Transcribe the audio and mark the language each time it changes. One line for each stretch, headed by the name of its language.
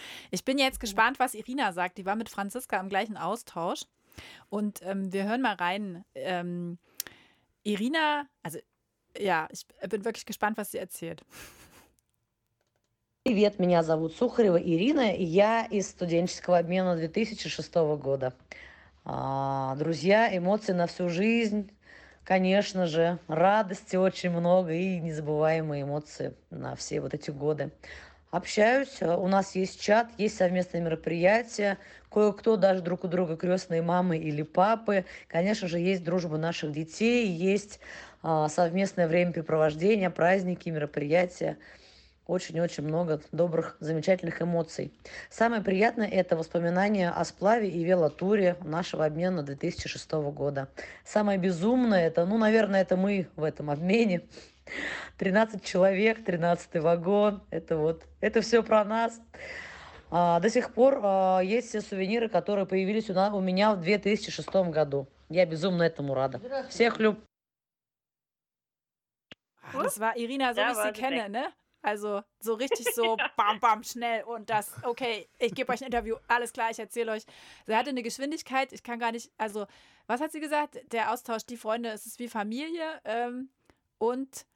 German: Ich bin jetzt gespannt, was Irina sagt. Die war mit Franziska im gleichen Austausch. Und wir hören mal rein. Irina, also ja, ich bin wirklich gespannt, was sie erzählt.
Russian: Привет, меня зовут Сухарева Ирина, и я из студенческого обмена 2006 года. Друзья, эмоции на всю жизнь, конечно же, радости очень много и незабываемые эмоции на все вот эти годы. Общаюсь, у нас есть чат, есть совместные мероприятия, кое-кто даже друг у друга крестные мамы или папы. Конечно же, есть дружба наших детей, есть совместное времяпрепровождение, праздники, мероприятия. Очень-очень много добрых, замечательных эмоций. Самое приятное – это воспоминания о сплаве и велотуре нашего обмена 2006 года. Самое безумное – это, ну, наверное, это мы в этом обмене. 13 человек, 13-й вагон – это вот, это все про нас. До сих пор есть все сувениры, которые появились у меня в 2006 году. Я безумно этому рада. Всех люб.
German: Das war Irina, so wie ich sie kenne, ne? Also so richtig so bam, bam, schnell und das, okay, ich gebe euch ein Interview, alles klar, ich erzähle euch. Sie hatte eine Geschwindigkeit, ich kann gar nicht, also was hat sie gesagt? Der Austausch, die Freunde, es ist wie Familie und...